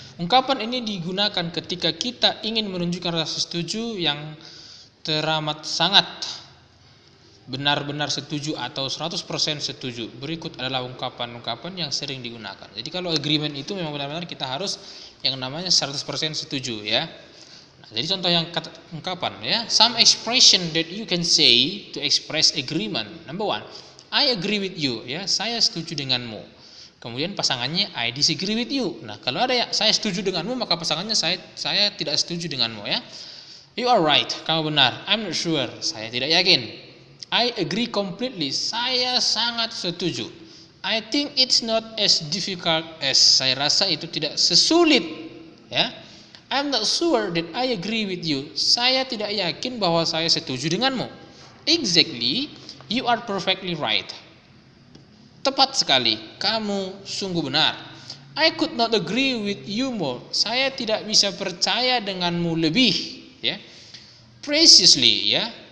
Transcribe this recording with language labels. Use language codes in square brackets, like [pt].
[id] Ungkapan ini digunakan ketika kita ingin menunjukkan rasa setuju yang teramat sangat benar-benar setuju atau 100% setuju. Berikut adalah ungkapan-ungkapan yang sering digunakan. Jadi kalau agreement itu memang benar-benar kita harus yang namanya 100% setuju ya. Nah, jadi contoh yang kata, ungkapan ya. [en] Some expression that you can say to express agreement. Number one, I agree with you ya. [id] Saya setuju denganmu. Kemudian pasangannya [en] I disagree with you. [id] Nah, kalau ada ya saya setuju denganmu, maka pasangannya saya tidak setuju denganmu ya. [en] You are right. [id] Kamu benar. [en] I'm not sure. [id] Saya tidak yakin. [en] I agree completely. [id] Saya sangat setuju. [en] I think it's not as difficult as. [id] Saya rasa itu tidak sesulit. Ya. [en] I'm not sure that I agree with you. [id] Saya tidak yakin bahwa saya setuju denganmu. [en] Exactly. You are perfectly right. [id] Tepat sekali. Kamu sungguh benar. [en] I could not agree with you more. [id] Saya tidak bisa percaya denganmu lebih. Ya. Preciously. Ya.